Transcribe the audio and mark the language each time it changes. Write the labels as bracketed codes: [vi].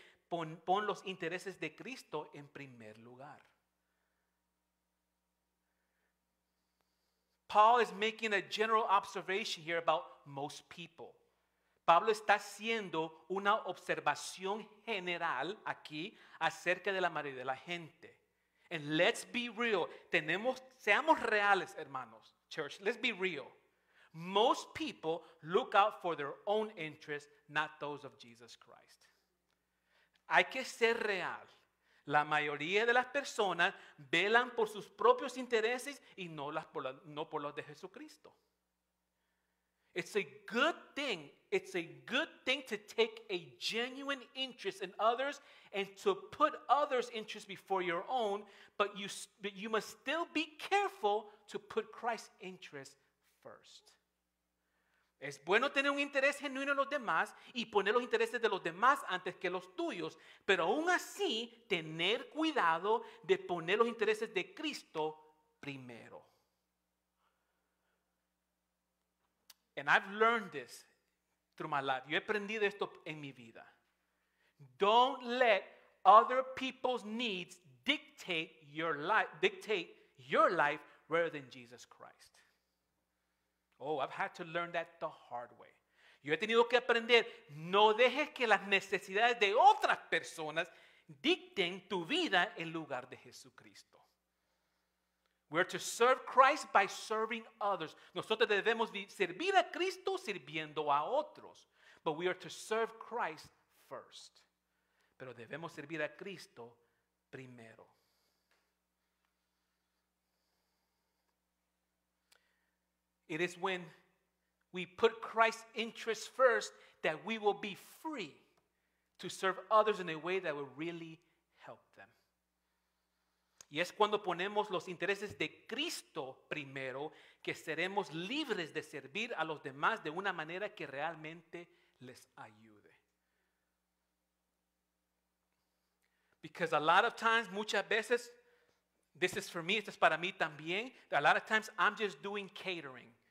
[es] Pon los intereses de Cristo en primer lugar. [en] Paul is making a general observation here about most people. [es] Pablo está haciendo una observación general aquí acerca de la mayoría de la gente. [en] And let's be real. [es] Seamos reales, hermanos, [en] church. Let's be real. Most people look out for their own interests, not those of Jesus Christ. [es] Hay que ser real. La mayoría de las personas velan por sus propios intereses y no por los de Jesucristo. [en] It's a good thing. It's a good thing to take a genuine interest in others and to put others' interests before your own, but you must still be careful to put Christ's interest first. [es] Es bueno tener un interés genuino en los demás y poner los intereses de los demás antes que los tuyos, pero aún así, tener cuidado de poner los intereses de Cristo primero. [en] And I've learned this through my life. [es] Yo he aprendido esto en mi vida. [en] Don't let other people's needs dictate your life rather than Jesus Christ. Oh, I've had to learn that the hard way. [es] Yo he tenido que aprender, no dejes que las necesidades de otras personas dicten tu vida en lugar de Jesucristo. [en] We're to serve Christ by serving others. [es] Nosotros debemos servir a Cristo sirviendo a otros. [en] But we are to serve Christ first. [es] Pero debemos servir a Cristo primero. [en] It is when we put Christ's interest first that we will be free to serve others in a way that will really help them. [es] Y es cuando ponemos los intereses de Cristo primero que seremos libres de servir a los demás de una manera que realmente les ayude. [en] Because a lot of times, [es] muchas veces, [en] this is for me, [es] esto es para mí también, [en] a lot of times I'm just doing catering.